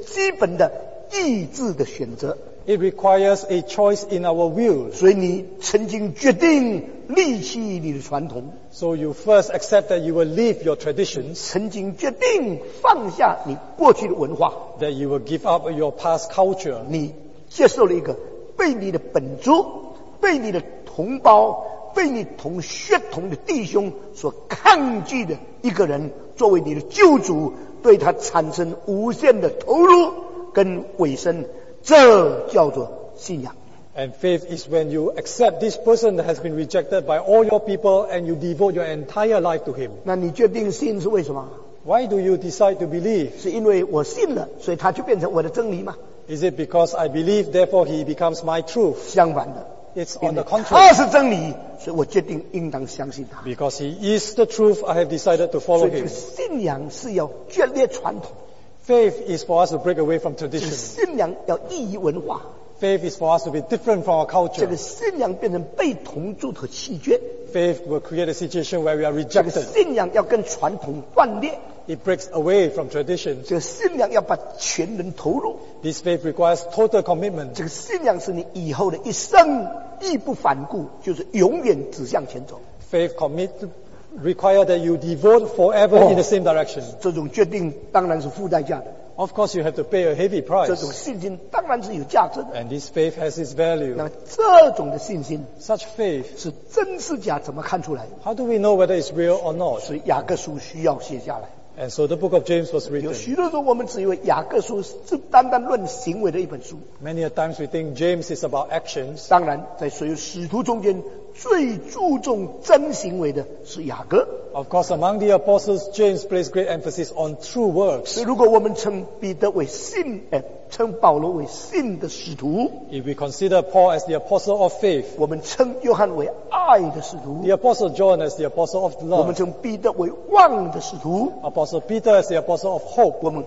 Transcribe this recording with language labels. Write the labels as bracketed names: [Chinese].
[Chinese] 就信心需要一个很重要的，整个人性中间最基本的意志的选择。 [English] It requires a choice in our will. [Chinese] 所以你曾经决定离弃你的传统。 [English] So you first accept that you will leave your traditions. [Chinese] 曾经决定放下你过去的文化。 [English] That you will give up your past culture. [Chinese] 你接受了一个被你的本族 被你的同胞、被你同血统的弟兄所抗拒的一个人，作为你的救主，对他产生无限的投入跟委身，这叫做信仰。 [English] And faith is when you accept this person that has been rejected by all your people and you devote your entire life to him. [Chinese] 那你决定信是为什么？ [English] Why do you decide to believe? [Chinese] 是因为我信了，所以他就变成我的真理吗？ [English] Is it because I believe, therefore he becomes my truth? [Chinese] 相反的。 [English] It's on the contrary. [Chinese] 他是真理，所以我决定应当相信他。 [English] Because he is the truth, I have decided to follow him. [Chinese] 所以信仰是要决裂传统。 [English] Faith is for us to break away from tradition. [Chinese] 信仰要异于文化。 [English] Faith is for us to be different from our culture. [Chinese] 这个信仰变成被同住和弃绝。 [English] Faith will create a situation where we are rejected. [Chinese] 这个信仰要跟传统断裂。 [English] It breaks away from tradition. [Chinese] 这个信仰要把全人投入。 [English] This faith requires total commitment. [Chinese] 这个信仰是你以后的一生义不反顾，就是永远指向前走。 [English] Faith commit require that you devote forever in the same direction. [Chinese] 这种决定当然是付代价的。 [English] Of course, you have to pay a heavy price. [Chinese] 这种信心当然是有价值的。 [English] And this faith has its value. [Chinese] 那这种的信心, [English] such faith, [Chinese] 是真是假怎么看出来? [English] How do we know whether it's real or not? [Chinese] 是雅各书需要写下来。 [English] And so the book of James was written. [Chinese] 有许多时候我们只以为雅各书是单单论行为的一本书。 [English] Many a times we think James is about actions. [Chinese] 当然在所有使徒中间, 最注重真行为的是雅各。 [English] Of course, among the apostles, James placed great emphasis on true works. [Chinese] 如果我们称彼得为信, 称保罗为信的使徒, [English] if we consider Paul as the apostle of faith, [Chinese] 我们称约翰为爱的使徒, [English] the apostle John as the apostle of love, [Chinese] 我们称彼得为望的使徒, [English] apostle Peter as the apostle of hope,